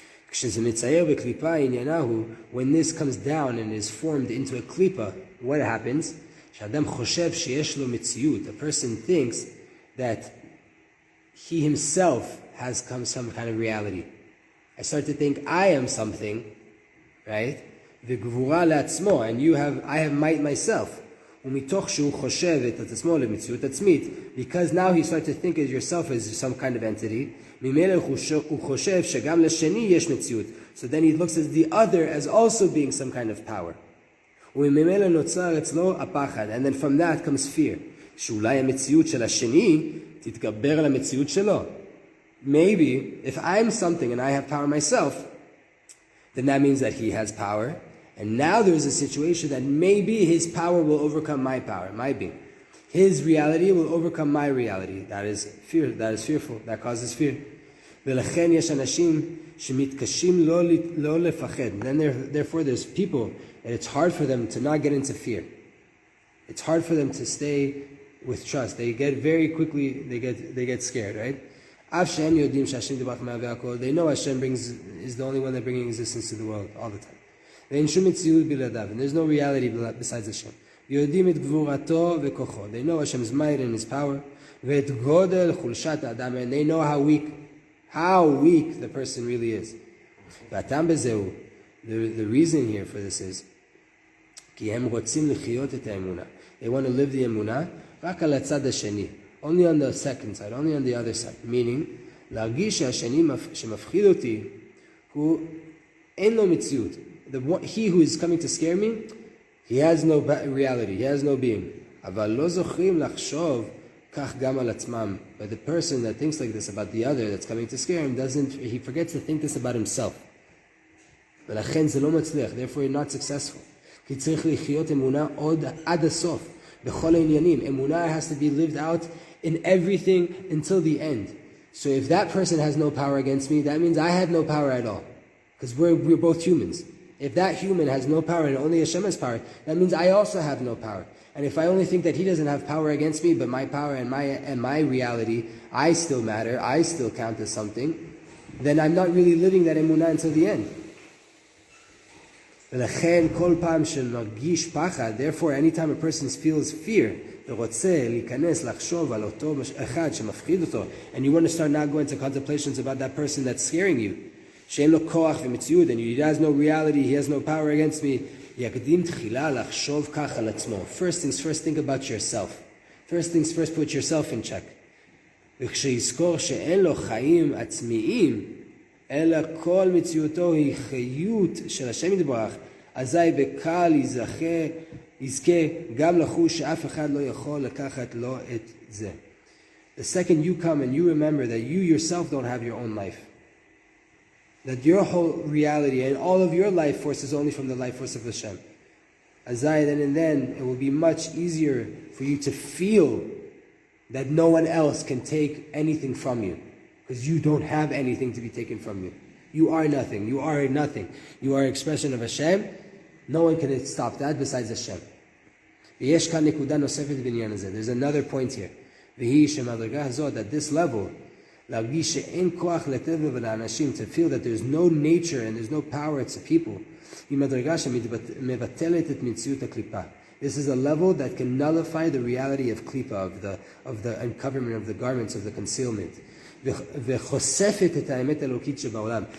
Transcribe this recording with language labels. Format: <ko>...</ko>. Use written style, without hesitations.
<he>כשזה מצייר בקליפה, עניינה הוא,</he> <en>when this comes down and is formed into a klipa, what happens?</en> <he>שאדם חושב שיש לו מציאות.</he> <en>A person thinks that he himself has come some kind of reality. I start to think I am something, right?</en> <he>וגבורה לעצמו,</he> <en>and you have, I have might myself.</en> <he>ומתוך שהוא חושב את עצמו למציאות עצמית,</he> <en>because now he starts to think of yourself as some kind of entity,</en> <he>ממילא הוא חושב שגם לשני יש מציאות.</he> <en>So then he looks at the other as also being some kind of power.</en> <he>וממילא נוצר אצלו הפחד,</he> <en>and then from that comes fear.</en> <he>שאולי המציאות של השני תתגבר על המציאות שלו.</he> <en>Maybe, if I'm something and I have power myself, then that means that he has power. And now there's a situation that maybe his power will overcome my power, my being. His reality will overcome my reality. That is fear. That is fearful. That causes fear.</en> <he>ולכן יש אנשים שמתקשים לא לפחד.</he> <en>Then therefore there's people and it's hard for them to not get into fear. It's hard for them to stay with trust. They get very quickly, they get scared, right?</en> <he>אף שהם יודעים שהשם דיברך מהווה הכל,</he> <en>they know Hashem is the only one that brings existence to the world all the time.</en> <he>ואין שום מציאות בלעדיו,</he> <en>and there's no reality besides Hashem.</en> <he>יודעים את גבורתו וכוחו,</he> <en>they know Hashem's might and his power,</en> <he>ואת גודל חולשת האדם,</he> <en>and they know how weak the person really is.</en> <he>והטעם בזה הוא,</he> <en>the reason here for this is,</en> <he>כי הם רוצים לחיות את האמונה.</he> <en>They want to live the</en> <he>אמונה רק על הצד השני.</he> <en>Only on the second side, only on the other side. Meaning,</en> <he>להרגיש שהשני שמפחיד אותי, הוא אין לו מציאות.</he> <en>He who is coming to scare me, he has no reality, he has no being.</en> <he>אבל לא זוכרים לחשוב כך גם על עצמם.</he> <en>But the person that thinks like this about the other that's coming to scare him, he forgets to think this about himself.</en> <he>ולכן זה לא מצליח,</he> <en>therefore you're not successful.</en> <he>כי צריך לחיות אמונה עוד עד הסוף. בכל העניינים, אמונה</he> <en>has to be lived out in everything until the end. So if that person has no power against me, that means I have no power at all. Because we're both humans. If that human has no power and only Hashem has power, that means I also have no power. And if I only think that he doesn't have power against me, but my power and my reality, I still matter, I still count as something, then I'm not really living that emuna until the end.</en> <he>ולכן כל פעם שנרגיש פחד,</he> <en>therefore anytime a person feels fear,</en> <he>ורוצה להיכנס לחשוב על אותו אחד שמפחיד אותו,</he> <en>and you want to start now going to contemplations about that person that's scaring you,</en> <he>שאין לו כוח ומציאות,</he> <en>and he has no reality, he has no power against me,</en> <he>יקדים תחילה לחשוב כך על עצמו.</he> <en>First things first, think about yourself. First things first, put yourself in check.</en> <he>וכשיזכור שאין לו חיים עצמיים, אלא כל מציאותו היא חיות של השם יתברך, אזי בקל יזכה גם לחוש שאף אחד לא יכול לקחת לו את זה.</he> <en>The second you come and you remember that you yourself don't have your own life, that your whole reality and all of your life force is only from the life force of Hashem, azai, then and then it will be much easier for you to feel that no one else can take anything from you, because you don't have anything to be taken from you. You are nothing. You are nothing. You are an expression of Hashem. No one can stop that besides Hashem.</en> <he>ויש כאן נקודה נוספת בעניין הזה.</he> <en>There's another point here.</en> <he>והיא שמדרגה הזאת,</he> <en>at this level,</en> <he>להרגיש שאין כוח לטבע ולאנשים,</he> <en>to feel that there's no nature and there's no power to people,</en> <he>היא מדרגה שמבטלת את מציאות הקליפה.</he> <en>This is a level that can nullify the reality of klipa, of the uncovering of the garments, of the concealment.</en> <he>וחושפת את האמת האלוקית שבעולם.</he>